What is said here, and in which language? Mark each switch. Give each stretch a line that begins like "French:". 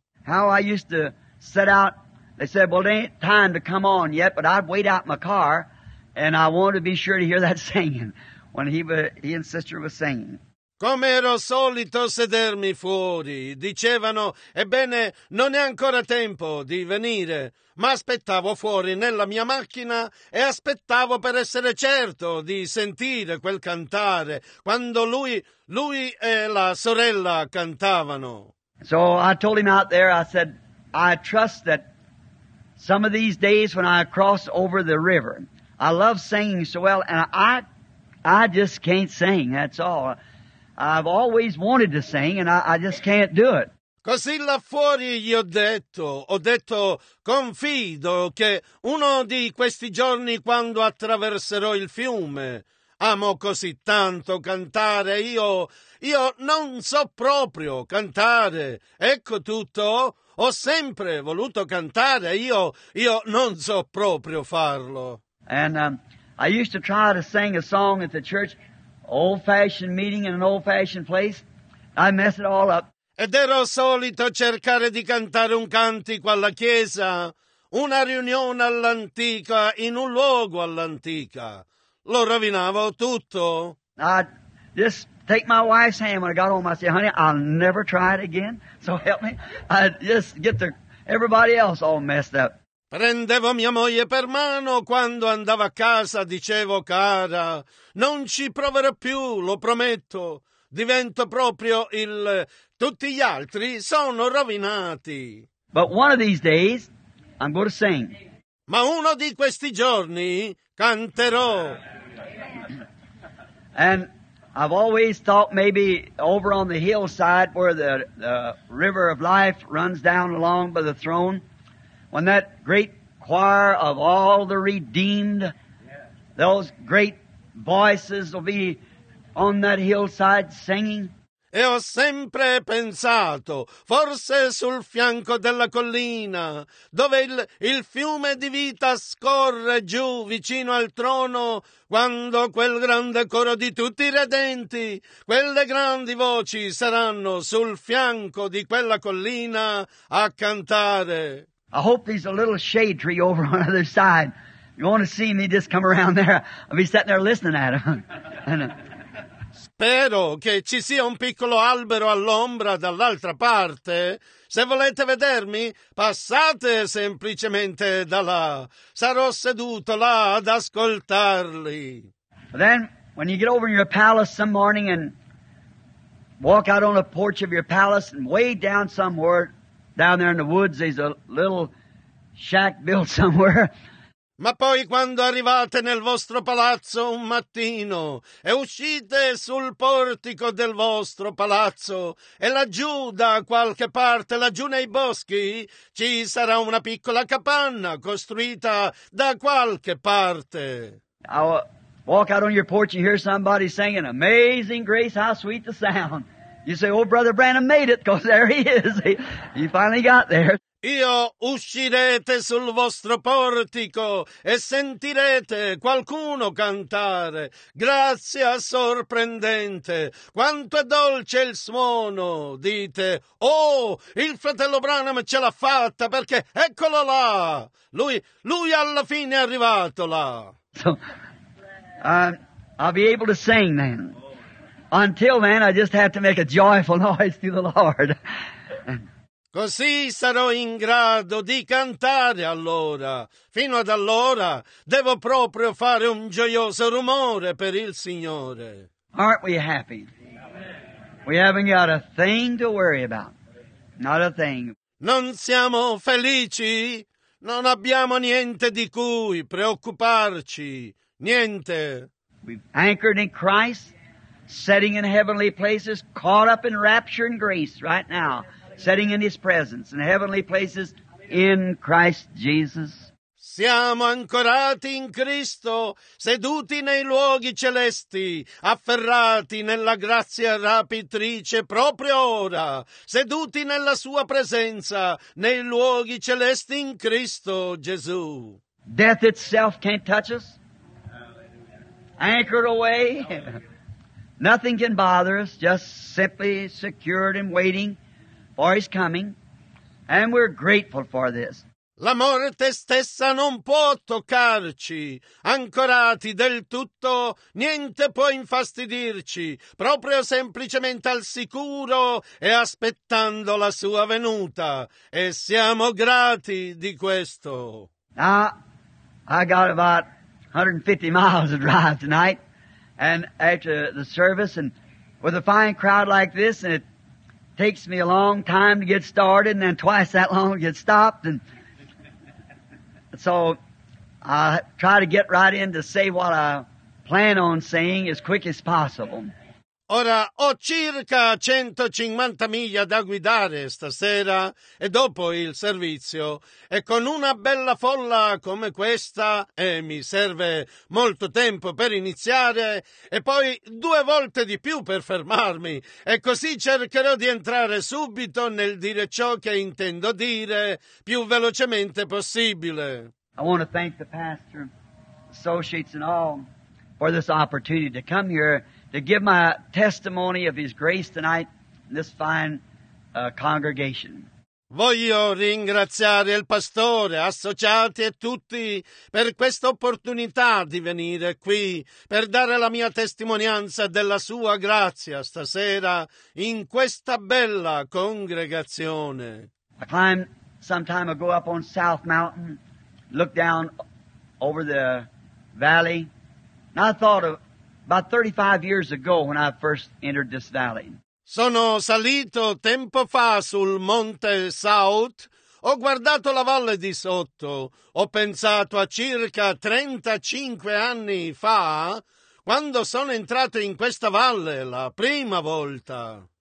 English: How I used to set out, they said, well, it ain't time to come on yet, but I'd wait out my car, and I wanted to be sure to hear that singing, when he and sister was singing.
Italian: Come ero solito sedermi fuori, dicevano, ebbene, non è ancora tempo di venire, ma aspettavo fuori nella mia macchina e aspettavo per essere certo di sentire quel cantare quando lui e la sorella cantavano.
English: So I told him out there, I said, I trust that some of these days when I cross over the river, I love singing so well, and I just can't sing, that's all. I've always wanted to sing, and I just can't do it.
Italian: Così là fuori gli ho detto, confido che uno di questi giorni quando attraverserò il fiume, amo così tanto cantare, io non so proprio cantare, ecco tutto, ho sempre voluto cantare, io non so proprio farlo.
English: And I used to try to sing a song at the church, old-fashioned meeting in an old-fashioned place, I mess it all up.
Italian: Ed ero solito cercare di cantare un cantico alla chiesa, una riunione all'antica, in un luogo all'antica. Lo rovinavo tutto.
English: I'd just take my wife's hand when I got home. I said, honey, I'll never try it again. So help me. I'd just get everybody else all messed up.
Italian: Prendevo mia moglie per mano quando andavo a casa. Dicevo, cara, non ci proverò più, lo prometto. Divento proprio il... Tutti gli altri sono rovinati.
English: But one of these days, I'm going to sing.
Italian: Ma uno di questi giorni canterò.
English: And I've always thought maybe over on the hillside where the river of life runs down along by the throne, when that great choir of all the redeemed, those great voices will be on that hillside singing.
Italian: E ho sempre pensato, forse sul fianco della collina, dove il fiume di vita scorre giù vicino al trono, quando quel grande coro di tutti i redenti, quelle grandi voci saranno sul fianco di quella collina a cantare.
English: I hope there's a little shade tree over on the other side. You want to see me just come around there? I'll be sitting there listening at him.
Italian: Spero che ci sia un piccolo albero all'ombra dall'altra parte. Se volete vedermi, passate semplicemente da là. Sarò seduto là ad ascoltarli.
English: Then, when you get over in your palace some morning and walk out on the porch of your palace and way down somewhere, down there in the woods, there's a little shack built somewhere.
Italian: Ma poi quando arrivate nel vostro palazzo un mattino e uscite sul portico del vostro palazzo e laggiù da qualche parte, laggiù nei boschi, ci sarà una piccola capanna costruita da qualche parte.
English: I'll walk out on your porch and hear somebody singing Amazing Grace, how sweet the sound. You say, oh, Brother Branham made it, because there he is. He finally got there.
Italian: Io uscirete sul vostro portico e sentirete qualcuno cantare. Grazia sorprendente, quanto è dolce il suono. Dite, oh, il fratello Branham ce l'ha fatta perché eccolo là. Lui alla fine è arrivato là.
English: So, I'll be able to sing then. Until then, I just have to make a joyful noise to the Lord.
Italian: Così sarò in grado di cantare allora. Fino ad allora devo proprio fare un gioioso rumore per il Signore.
English: Aren't we happy? We haven't got a thing to worry about. Not a thing.
Italian: Non siamo felici? Non abbiamo niente di cui preoccuparci. Niente.
English: We've anchored in Christ, sitting in heavenly places, caught up in rapture and grace right now. Sitting in His presence, in heavenly places, in Christ Jesus.
Italian: Siamo ancorati in Cristo, seduti nei luoghi celesti, afferrati nella grazia rapitrice proprio ora, seduti nella Sua presenza, nei luoghi celesti in Cristo Gesù.
English: Death itself can't touch us. Anchored away. Nothing can bother us, just simply secured and waiting. For He's coming, and we're grateful for this.
Italian: La morte stessa non può toccarci, ancorati del tutto, niente può infastidirci, proprio semplicemente al sicuro e aspettando la sua venuta, e siamo grati di questo.
English: Now, I got about 150 miles to drive tonight, and after the service, and with a fine crowd like this, and it takes me a long time to get started, and then twice that long to get stopped. And so I try to get right in to say what I plan on saying as quick as possible.
Italian: Ora ho circa 150 miglia da guidare stasera e dopo il servizio, e con una bella folla come questa, e mi serve molto tempo per iniziare e poi due volte di più per fermarmi, e così cercherò di entrare subito nel dire ciò che intendo dire più velocemente possibile.
English: I want to thank the pastor, associates and all for this opportunity to come here to give my testimony of His grace tonight in this fine congregation.
Italian: Voglio ringraziare il pastore, associati e tutti per questa opportunità di venire qui per dare la mia testimonianza della sua grazia stasera in questa bella congregazione.
English: I climbed some time ago up on South Mountain, looked down over the valley, and I thought of about 35 years ago when I first entered this valley.
Italian: Sono salito tempo fa sul Monte South, ho guardato la valle di sotto, ho pensato a circa 35 anni fa quando sono entrato in questa valle la prima volta.